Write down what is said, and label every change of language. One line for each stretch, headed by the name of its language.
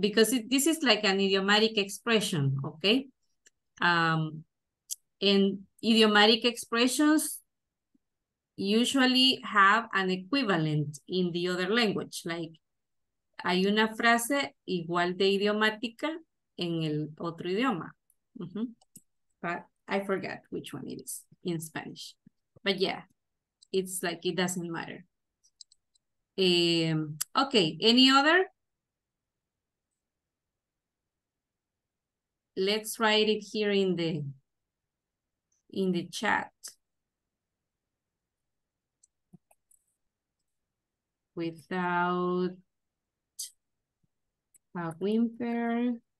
English: Because this is like an idiomatic expression, okay? And idiomatic expressions usually have an equivalent in the other language. Like,
Spanish: hay una frase igual de idiomática en el otro idioma. Mm-hmm.
English: But I forgot which one it is in Spanish. But yeah, it's like it doesn't matter. Okay, any other? Let's write it here in the chat without a whimper.